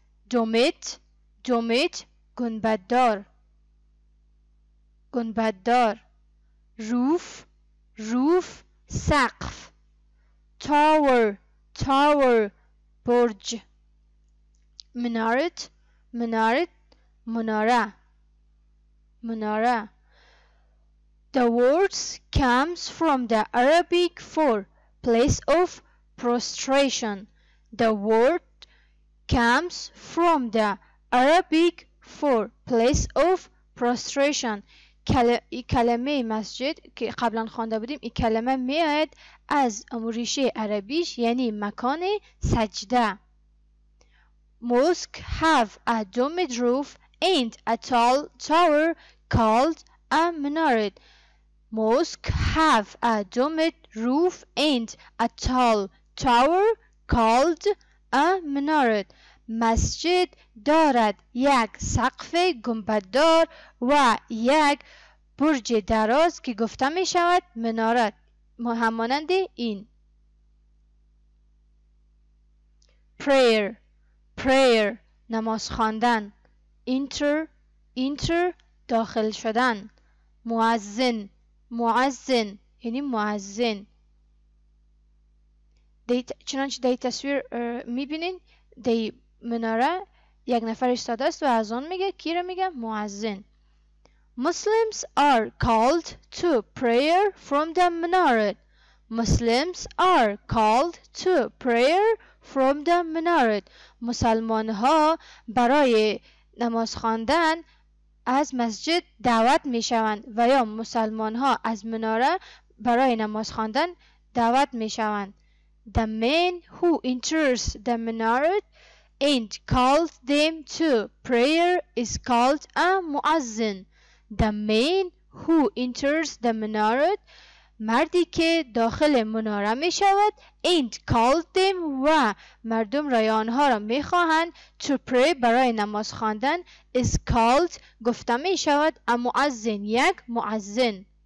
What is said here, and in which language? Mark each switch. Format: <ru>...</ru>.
<fa>دومت، دومت، گنبددار، گنبددار. روف، روف، سقف. تاور، تاور، برج. منارت، منارت، مناره، مناره.</fa> <en>The words comes from the Arabic for place of prostration. The word comes from the Arabic for place of prostration.</en> <fa>کلمه مسجد که قبلا خوانده بودیم، این کلمه میاد از ریشه عربیش، یعنی مکان سجده.</fa> <en>Mosque have a domed roof and a tall tower called a minaret. Mosque have a domed roof and a tall tower called a minaret.</en> <fa>مسجد دارد یک سقف گنبددار و یک برج دراز که گفته می شود منارت. همانند این.</fa> <en>Prayer, prayer،</en> <fa>نماز خواندن.</fa> <en>Enter, enter،</en> <fa>داخل شدن. مؤذن، مؤذن، یعنی مؤذن. چنانچه دی تصویر میبینین، دی مناره یک نفر ایستاده است و از آن میگه، کی را میگه؟ مؤذن.</fa> <en>Muslims are called to prayer from the minaret. Muslims are called to prayer from the minaret.</en> <fa>مسلمان ها برای نماز خواندن از مسجد دعوت می شوند و یا مسلمان ها از مناره برای نماز خواندن دعوت می شوند.</fa> <en>The man who enters the minaret and calls them to prayer is called a muazzin. The man who enters the minaret,</en> <fa>مردی که داخل مناره می شود،</fa> <en>and calls them</en> <fa>و مردم را یا آنها را می خواهند،</fa> <en>to pray</en> <fa>برای نماز خواندن،</fa> <en>is called</en> <fa>گفته می شود</fa> <en>a muazzin،</en> <fa>یک muazzin.</fa>